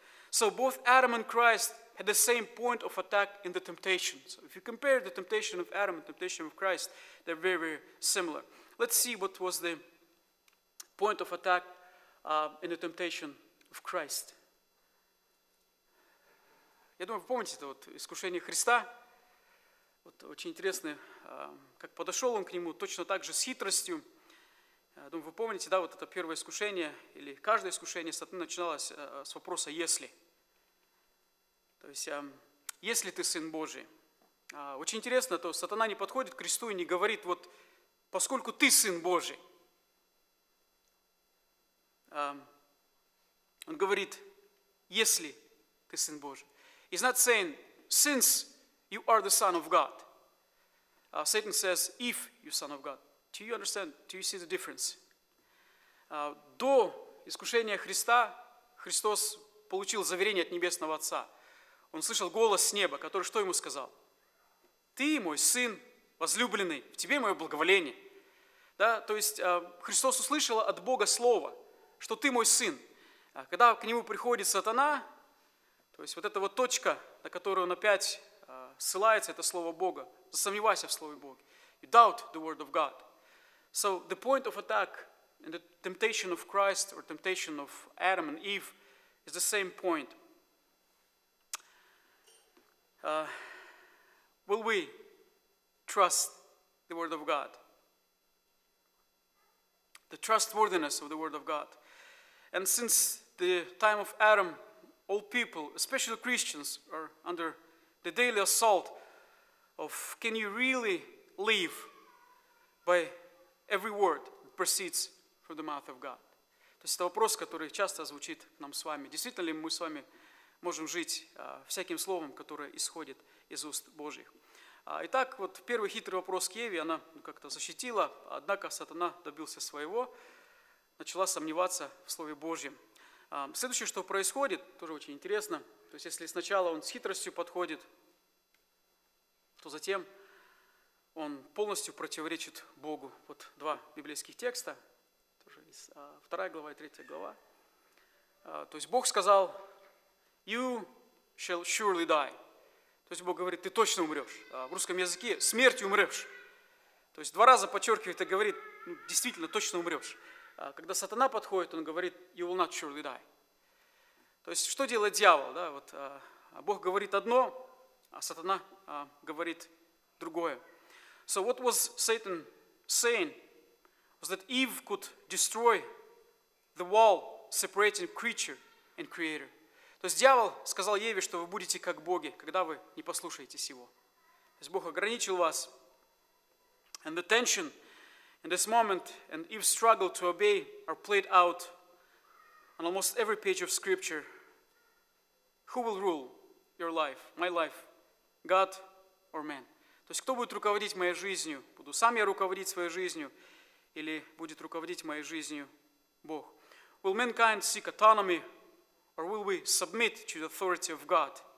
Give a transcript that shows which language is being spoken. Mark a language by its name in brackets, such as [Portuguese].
[English] So both Adam and Christ had the same point of attack in the temptation. So if you compare the temptation of Adam and the temptation of Christ, they're very, very similar. Let's see what was the point of attack in the temptation of Christ. [Russian] Я думаю, вы помните это вот искушение Христа. Вот очень интересно, как подошел он к нему, точно так же с хитростью. Думаю, вы помните, да, вот это первое искушение, или каждое искушение сатаны начиналось с вопроса «если?». То есть, если ты Сын Божий? Очень интересно, то сатана не подходит к Христу и не говорит, вот, поскольку ты Сын Божий. Он говорит, если ты Сын Божий. [English] He's not saying, since you are the Son of God. Satan says, if you're Son of God. Do you understand? Do you see the difference? [Russian] До искушения Христа, Христос получил заверение от Небесного Отца. Он слышал голос с неба, который что ему сказал? Ты мой Сын, возлюбленный, в тебе мое благоволение. Да? То есть Христос услышал от Бога слово, что ты мой Сын. Когда к нему приходит сатана, то есть вот эта вот точка, на которую он опять ссылается, это слово Бога. Засомневайся в слове Бога. [English] You doubt the word of God. So the point of attack in the temptation of Christ or temptation of Adam and Eve is the same point. Will we trust the Word of God. The trustworthiness of the Word of God. And since the time of Adam, all people, especially Christians, are under the daily assault of, can you really live by every word that proceeds from the mouth of God? [Russian] То есть это вопрос, который часто звучит нам с вами. Действительно ли мы с вами можем жить всяким словом, которое исходит из уст Божьих? Итак, вот первый хитрый вопрос к Еве, она как-то защитила, однако сатана добился своего, начала сомневаться в Слове Божьем. Следующее, что происходит, тоже очень интересно, то есть если сначала он с хитростью подходит, то затем он полностью противоречит Богу. Вот два библейских текста, тоже из 2 глава и 3 глава. То есть Бог сказал, [English] you shall surely die. [Russian] То есть Бог говорит, ты точно умрешь. В русском языке смертью умрешь. То есть два раза подчеркивает и говорит, ну, действительно, точно умрешь. Когда сатана подходит, он говорит, [English] you will not surely die. [Russian] То есть что делает дьявол? Да? Вот, Бог говорит одно, а сатана говорит другое. [English] So what was Satan saying? Was that Eve could destroy the wall separating creature and creator. [Russian] То есть дьявол сказал Еве, что вы будете как боги, когда вы не послушаетесь его. То есть Бог ограничил вас. [English] And the tension in this moment and Eve's struggle to obey are played out on almost every page of scripture. Who will rule your life, my life, God or man? [Russian] То есть кто будет руководить моей жизнью? Буду сам я руководить своей жизнью или будет руководить моей жизнью Бог? [English] Will mankind seek autonomy? Or will we submit to the authority of God?